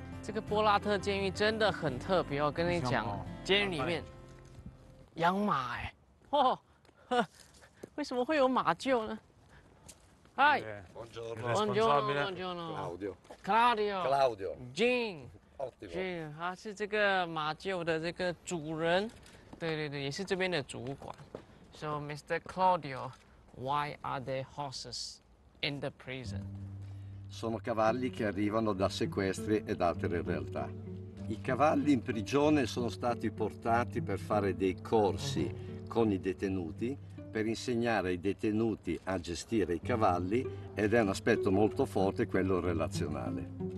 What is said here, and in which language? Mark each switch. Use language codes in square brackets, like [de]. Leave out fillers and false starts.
[zh] 这个波拉特监狱真的很特别，我跟你讲，监狱里面养马哎，哦，为什么会有马厩呢？嗨 [it] ，Buongiorno，Claudio，Jean， [zh] 他是这个马厩的这个主人，对对对，也是这边的主管。 [en] So Mr. Claudio，why are there horses？In the prison. [it] sono cavalli che arrivano da sequestri ed altre realtà. I cavalli in prigione sono stati portati per fare dei corsi con i detenuti, per insegnare ai detenuti a gestire i cavalli, ed è un aspetto molto forte quello relazionale.